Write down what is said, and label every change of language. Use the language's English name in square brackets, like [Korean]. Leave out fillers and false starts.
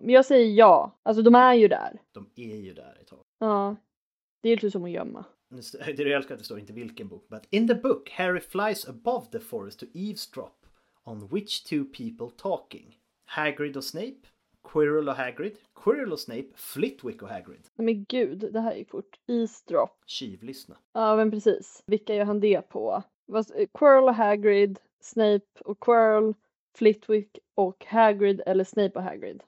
[Swedish] Men jag säger ja, alltså de är ju där. De är ju där ett tag. Ja, det är ju typ som att gömma. Det är det jag älskar att det står, inte vilken bok. [English] But in the book, Harry flies above the forest to eavesdrop on which two people talking. [Swedish] Hagrid och Snape, Quirrell och Hagrid, Quirrell och Snape, Flitwick och Hagrid. Men gud, det här är ju fort. Eavesdrop. Tjuvlyssna. Ja, men precis. Vilka gör han det på? Quirrell och Hagrid, Snape och Quirrell, Flitwick och Hagrid, eller Snape och Hagrid.